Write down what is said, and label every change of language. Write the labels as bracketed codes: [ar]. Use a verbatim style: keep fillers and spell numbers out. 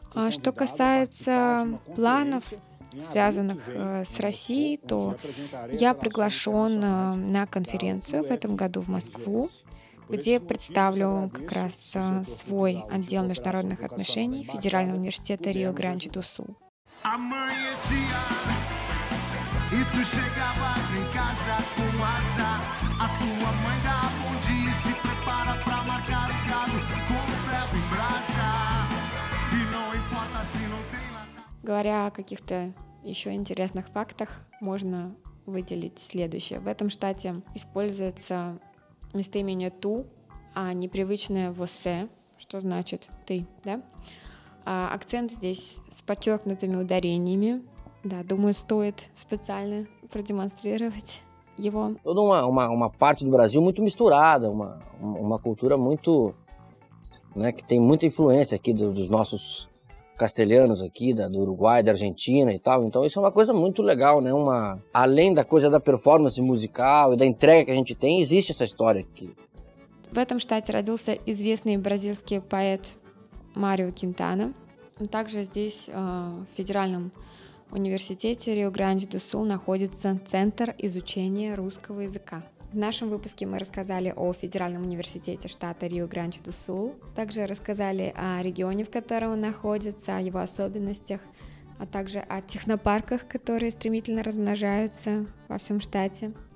[ru] Что касается планов, связанных с Россией, то я приглашен на конференцию в этом году в Москву, где представлю как раз свой отдел международных отношений Федерального университета Рио-Гранди-ду-Сул. [pt] E tu chegavas em casa com asa, a tua mãe dá bom dia e se prepara pra marcar o gado com o ferro em brasa. E não importa se não tem latada. [ru] Говоря о каких-то еще интересных фактах, можно выделить следующее. В этом штате используется местоимение «ту», а непривычное «восе», что значит «ты», да? А акцент здесь с подчеркнутыми ударениями. Да, думаю, стоит специально продемонстрировать его. [pt] Toda uma, uma, uma parte do Brasil muito misturada, uma, uma cultura muito né, que tem muita influência aqui do, dos nossos castelhanos aqui, da, do Uruguai, da Argentina e tal. Então isso é uma coisa muito legal, né? Uma, além da coisa da performance musical e da entrega que a gente tem, existe essa história aqui. [ru] В этом штате родился известный бразильский поэт Марио Кентана. Также здесь, в Федеральном университете Рио-Гранди-ду-Сул, находится Центр изучения русского языка. В нашем выпуске мы рассказали о Федеральном университете штата Рио-Гранди-ду-Сул, также рассказали о регионе, в котором он находится, о его особенностях, а также о технопарках, которые стремительно размножаются во всем штате.